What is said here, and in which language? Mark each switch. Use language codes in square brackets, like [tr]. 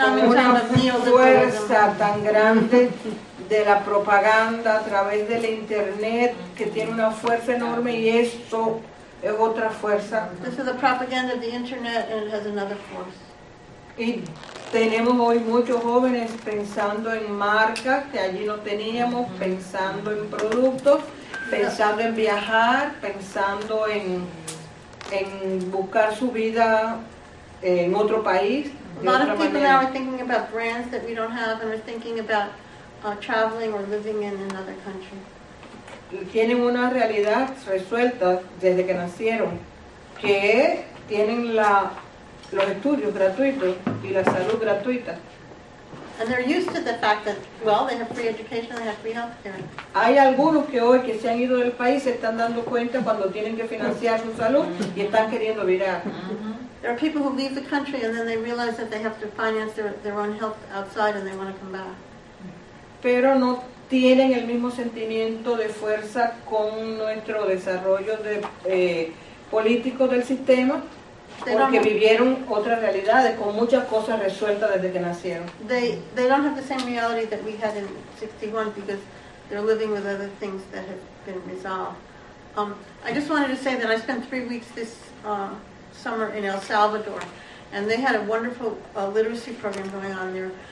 [es] fuerza tan grande de la propaganda a través del internet, que tiene una fuerza enorme, y esto es otra fuerza. [en] This is the propaganda of the internet, and it has another force. [es] Y tenemos hoy muchos jóvenes pensando en marcas que allí no teníamos, pensando en productos, pensando en viajar, pensando en buscar su vida en otro país. [en] A lot of people now are thinking about brands that we don't have, and are thinking about traveling or living in another country. [es] Tienen una realidad resuelta desde que nacieron, que tienen los estudios gratuitos y la salud gratuita. [en] And they're used to the fact that, well, they have free education, they have free healthcare. [es] Hay algunos que hoy que se han ido del país se están dando cuenta cuando tienen que financiar su salud y están queriendo virar. [en] There are people who leave the country and then they realize that they have to finance their own health outside and they want to come back. [es] Pero no tienen el mismo sentimiento de fuerza con nuestro desarrollo de político del sistema, porque vivieron otras realidades con muchas cosas resueltas desde que nacieron. [en] They don't have the same reality that we had in 61 because they're living with other things that have been resolved. I just wanted to say that I spent 3 weeks this summer in El Salvador, and they had a wonderful literacy program going on there.